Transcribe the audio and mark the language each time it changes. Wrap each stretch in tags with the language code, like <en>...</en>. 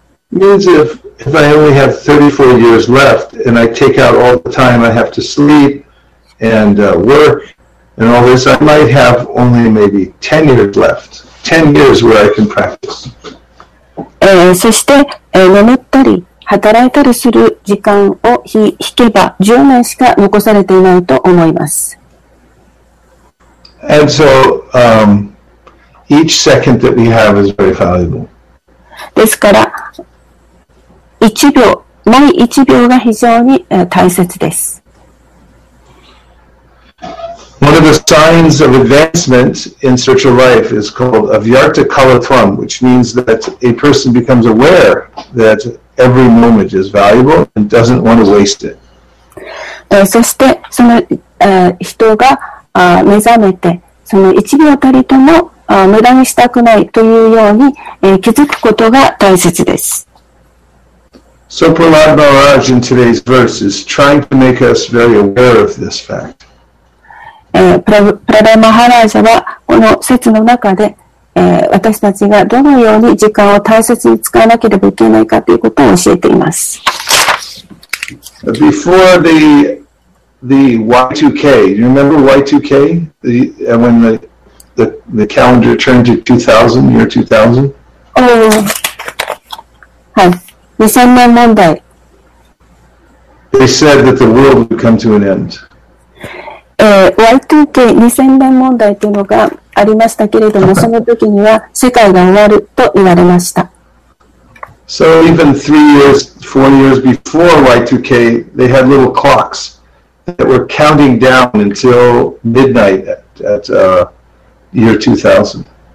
<en>Means if I only have 34 years left and I take out all the time I have to sleep and work and all this, I might have only maybe 10 years left. 10 years where I can practice.</en> <ja>そして、眠ったり働いたりする時間を引けば10年しか残されていないと思います。</ja> <en>And so, each second that we have is very valuable.</en> <ja>ですから、毎1秒が非常に大切です。</ja> <en>One of the signs of advancement in spiritual life is called avyakta kalatvam, which means that a person becomes aware that every moment is valuable and doesn't want to waste it.</en> <ja>そしてその人が目覚めてその1秒たりとも無駄にしたくないというように気づくことが大切です。</ja> <en>So Prahlad Maharaj in today's verse is trying to make us very aware of this fact.</en> <ja>プラダマハラージャはこの説の中で私たちがどのように時間を大切に使わなければいけないかということを教えています。</ja> <en>Before the Y2K, do you remember Y2K? When the calendar turned to 2000, year 2000?</en> <ja>はい、2000年問題。</ja> <en>They said that the world would come to an end.</en> <ja>Y2K, 2000年問題というのがありましたけれども、その時には世界が終わると言われました。</ja> <en>So even three years, four years before Y2K, they had little clocks that were counting down until midnight at year 2000.</en>